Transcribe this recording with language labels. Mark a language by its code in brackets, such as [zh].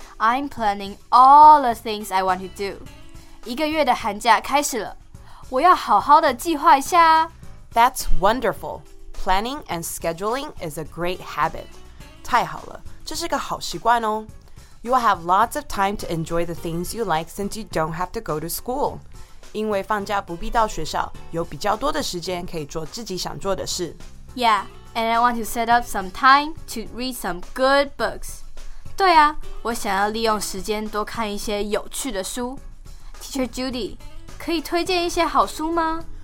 [en] I'm planning all the things I want to do。 [zh] 一个月的寒假开始了，我要好好的计划一下。 [en] That's wonderful。 Planning and scheduling is a great habit。 [zh] 太好了，这是个好习惯哦。 [en] You will have lots of time to enjoy the things you like since you don't have to go to school. [zh] 因为放假不必到学校，有比较多的时间可以做自己想做的事。 [en] Yeah, and I want to set up some time to read some good books. [zh] 对啊，我想要利用时间多看一些有趣的书。 Teacher Judy, 可以推荐一些好书吗？